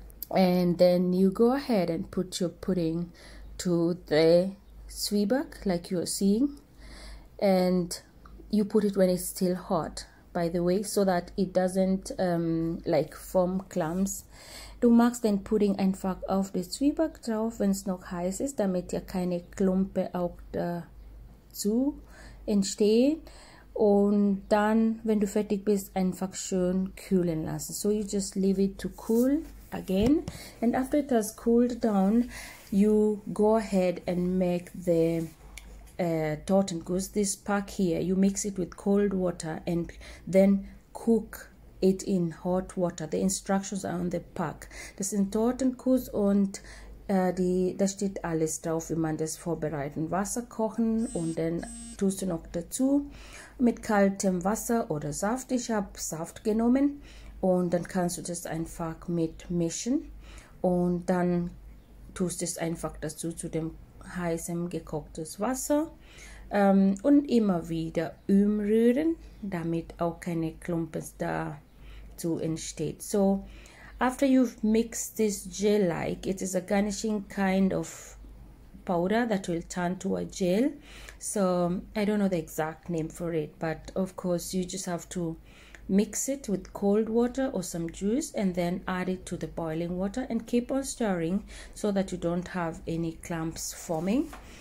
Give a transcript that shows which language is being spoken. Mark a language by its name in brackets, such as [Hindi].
[English] And then you go ahead and put your pudding to the Zwieback, like you're seeing. And you put it when it's still hot, by the way, so that it doesn't like form clumps. [German] Du machst den Pudding einfach auf den Zwieback drauf, wenn es noch heiß ist, damit ja keine Klumpe auch dazu entstehen. Und dann, wenn du fertig bist, einfach schön kühlen lassen. [English] So you just leave it to cool again. And after it has cooled down, you go ahead and make the Tortengoose, this pack here. You mix it with cold water and then cook it in hot water. The instructions are on the pack. [German] Das sind Tortengoose und da steht alles drauf, wie man das vorbereitet. Wasser kochen und dann tust du noch dazu mit kaltem Wasser oder Saft. Ich habe Saft genommen und dann kannst du das einfach mitmischen und dann tust du es einfach dazu zu dem heißem gekochtes Wasser und immer wieder umrühren, damit auch keine Klumpen dazu entsteht. [English] So, after you've mixed this gel-like, it is a garnishing kind of powder that will turn to a gel. So I don't know the exact name for it, but of course you just have to mix it with cold water or some juice and then add it to the boiling water and keep on stirring so that you don't have any clumps forming.